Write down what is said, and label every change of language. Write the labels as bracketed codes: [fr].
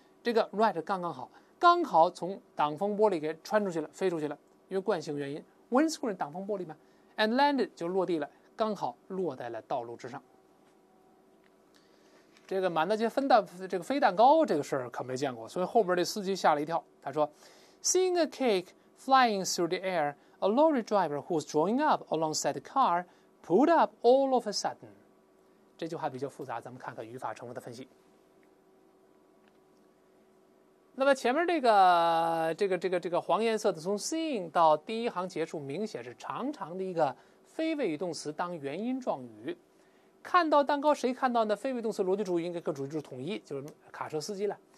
[zh] 这个 right 刚刚好，刚好从挡风玻璃给穿出去了，飞出去了，因为惯性原因 ，windscreen 挡风玻璃嘛 ， [en] and landed [zh] 就落地了，刚好落在了道路之上。这个满大街分蛋这个飞蛋糕这个事儿可没见过，所以后边的司机吓了一跳。他说 [en] ，Seeing a cake flying through the air, a lorry driver who was drawing up alongside the car pulled up all of a sudden. [zh] 这句话比较复杂，咱们看看语法成分的分析。那么前面这个黄颜色的，从 seeing 到第一行结束，明显是长长的一个非谓语动词当原因状语。看到蛋糕，谁看到呢？非谓动词逻辑主义应该跟主语就是统一，就是卡车司机了。